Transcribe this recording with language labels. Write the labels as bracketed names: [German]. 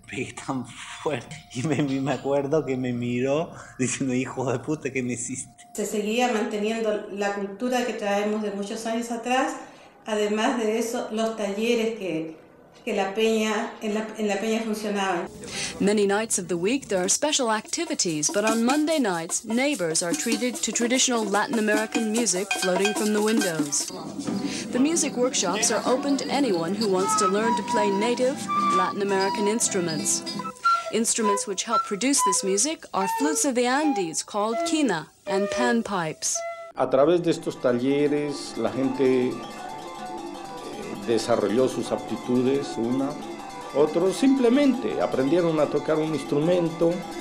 [Spanish] Pegué tan fuerte. Y me acuerdo que me miró diciendo, hijo de puta, ¿qué me hiciste? Se seguía manteniendo la cultura que traemos de muchos años atrás. Además de eso, los talleres que la peña funcionaban. [English] Many nights of the week there are special activities, but on Monday nights, neighbors are treated to traditional Latin American music floating from the windows. The music workshops are open to anyone who wants to learn to play native Latin American instruments. Instruments which help produce this music are flutes of the Andes called quina and panpipes. [Spanish] A través de estos talleres, la gente desarrolló sus aptitudes, una. Otros simplemente aprendieron a tocar un instrumento.